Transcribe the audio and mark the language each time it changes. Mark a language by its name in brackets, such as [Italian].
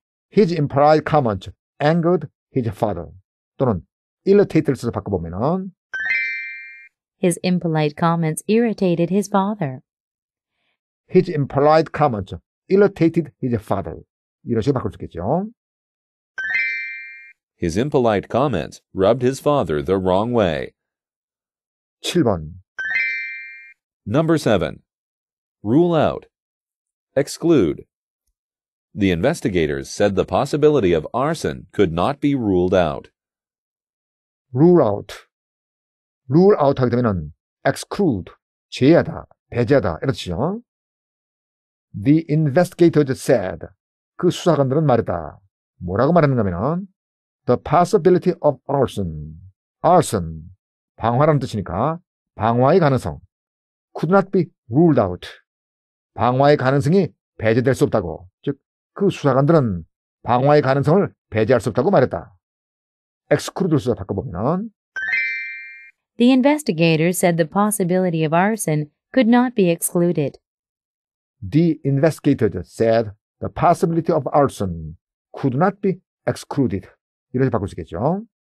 [English] His implied comments angered his father. [Korean] 또는 irritated 써서 바꿔보면 [English] His impolite comments irritated his father. His implied comments irritated his father. [Korean] 이런 식으로 바꿀 수 있겠죠. [English] His impolite comments rubbed his father the wrong way. [Korean] 7번 [English] Number 7. Rule out. Exclude. The investigators said the possibility of arson could not be ruled out. Rule out. Rule out [Korean] 하게 되면 exclude, 제외하다, 배제하다, 이렇죠? [English] The investigators said, [Korean] 그 수사관들은 말했다. 뭐라고 말하는가 하면 [English] The possibility of arson. Arson. [Korean] 방화라는 뜻이니까 방화의 가능성. [English] Could not be ruled out. [Korean] 방화의 가능성이 배제될 수 없다고. 즉, 그 수사관들은 방화의 가능성을 배제할 수 없다고 말했다. Exclude를 써서 바꿔보면 [English] The investigators said the possibility of arson could not be excluded. The investigators said the possibility of arson could not be excluded. [Korean] 이렇게 바꿀 수 있겠죠?